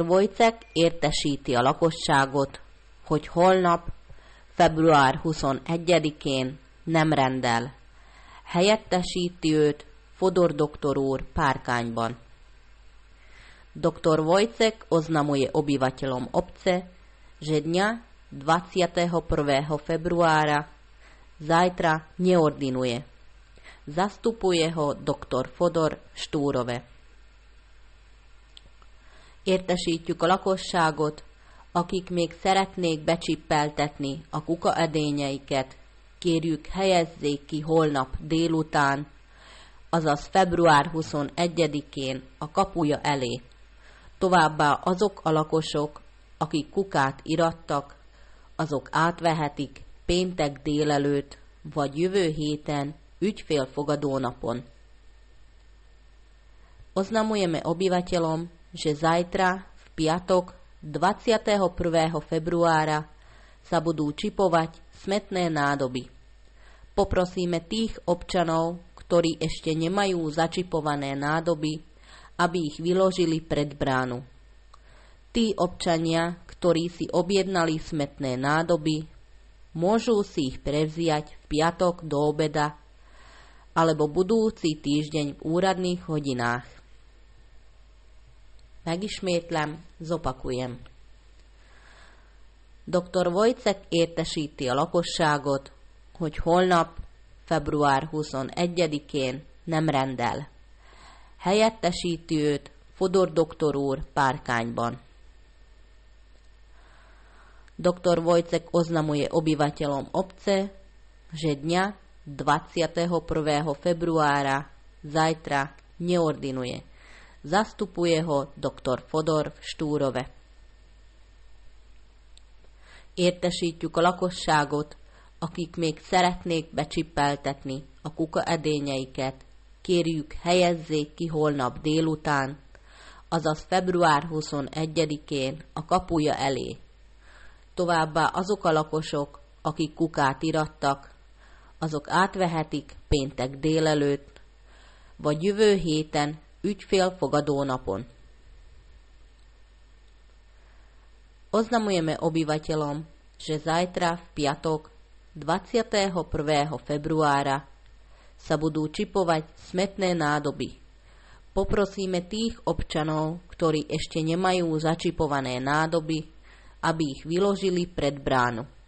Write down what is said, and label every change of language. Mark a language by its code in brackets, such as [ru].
[hu] Wojcek értesíti a lakosságot, hogy holnap, február 21-én nem rendel. Helyettesíti őt Fodor doktor úr Párkányban. [sk] Dr. Wojcek oznamuje obyvateľom obce, že dňa 21. februára zajtra neordinuje. Zastupuje ho dr. Fodor Štúrove. [hu] Értesítjük a lakosságot, akik még szeretnék becsippeltetni a kuka edényeiket, kérjük helyezzék ki holnap délután, azaz február 21-én a kapuja elé. Továbbá azok a lakosok, akik kukát irattak, azok átvehetik péntek délelőtt vagy jövő héten ügyfélfogadó napon. [sk] Oznamujeme obyvateľom, že zajtra v piatok 21. februára sa budú čipovať smetné nádoby. Poprosíme tých občanov, ktorí ešte nemajú začipované nádoby, aby ich vyložili pred bránu. Tí občania, ktorí si objednali smetné nádoby, môžu si ich prevziať v piatok do obeda alebo budúci týždeň v úradných hodinách. [hu] Megismétlem, [sk] zopakujem. [hu] Dr. Wojcek értesíti a lakosságot, hogy holnap, február 21-én nem rendel. Helyettesíti őt Fodor doktor úr Párkányban. [sk] Dr. Wojcek oznamuje obyvateľom obce, že dňa 21. februára zajtra neordinuje. Zastupuje ho dr. Fodor v Štúrove. [hu] Értesítjük a lakosságot, akik még szeretnék becsippeltetni a kuka edényeiket, kérjük helyezzék ki holnap délután, azaz február 21-én a kapuja elé. Továbbá azok a lakosok, akik kukát irattak, azok átvehetik péntek délelőtt, vagy jövő héten ügyfélfogadó napon. [sk] Oznamujeme obyvateľom, že zajtra v piatok 21. februára sa budú čipovať smetné nádoby. Poprosíme tých občanov, ktorí ešte nemajú začipované nádoby, aby ich vyložili pred bránu.